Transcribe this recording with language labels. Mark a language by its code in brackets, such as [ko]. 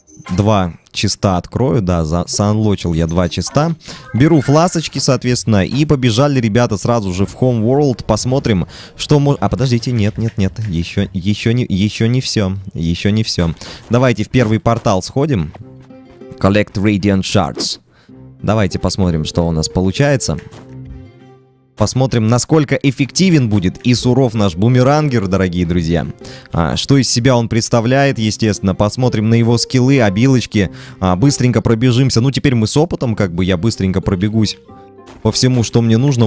[ru] два чиста открою, да, заанлочил я два чиста. Беру фласочки, соответственно, и побежали ребята сразу же в Home World. Посмотрим, что может... А, подождите, нет, еще не все. Давайте в первый портал сходим. [en] Collect Radiant Shards. [ru] Давайте посмотрим, что у нас получается. Посмотрим, насколько эффективен будет и суров наш бумерангер, дорогие друзья. Что из себя он представляет, естественно. Посмотрим на его скиллы, обилочки. Быстренько пробежимся. Ну, теперь мы с опытом, как бы я быстренько пробегусь по всему, что мне нужно.